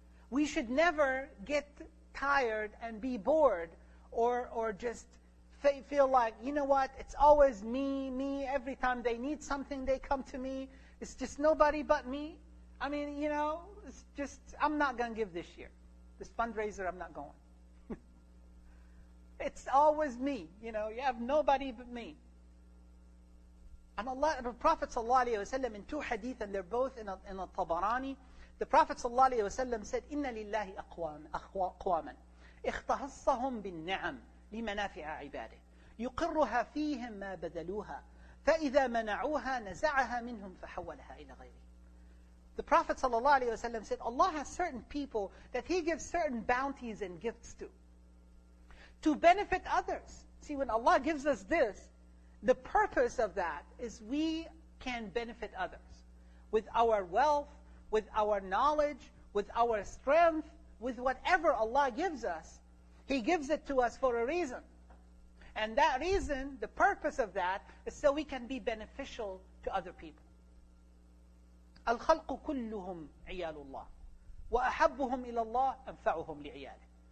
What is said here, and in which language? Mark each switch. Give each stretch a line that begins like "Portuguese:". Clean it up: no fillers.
English: We should never get tired and be bored or just feel like, you know what, it's always me, every time they need something, they come to me. It's just nobody but me. I mean, you know, it's just, I'm not going to give this year. This fundraiser, I'm not going. It's always me, you know, you have nobody but me. And Allah, the Prophet ﷺ in two hadith, and they're both in a Tabarani, the Prophet ﷺ said,
Arabic: إِنَّ لِلَّهِ أَقْوَامًا اِخْتَهَصَّهُمْ بِالنِّعَمْ لِمَنَافِعَ عِبَادِهِ يُقِرُّهَا فِيهِمْ مَا بَدَلُوهَا فَإِذَا مَنَعُوهَا نَزَعَهَا مِنْهُمْ فَحَوَّلَهَا إِلَى غَيْرِهِ.
English: The Prophet ﷺ said, Allah has certain people that He gives certain bounties and gifts to benefit others. See, when Allah gives us this, the purpose of that is we can benefit others with our wealth, with our knowledge, with our strength, with whatever Allah gives us. He gives it to us for a reason. And that reason, the purpose of that, is so we can be beneficial to other people.
Arabic: الخلق كلهم عيال الله وأحبهم إلى الله أنفعهم لعياله.